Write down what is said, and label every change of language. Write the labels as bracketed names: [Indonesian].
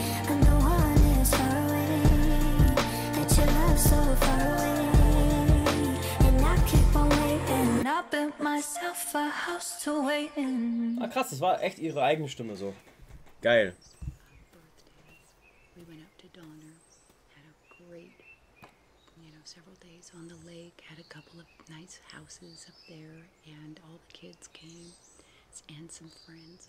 [English] And no one is far away. That you love so far away. And I keep on waiting. I built myself a house to wait in. [German] Ah, krass, das war echt ihre eigene Stimme so. Geil. [English] We went up to Donner, had a great, you know, several days on the lake, had a couple of nice houses up there, and all the kids came and some friends.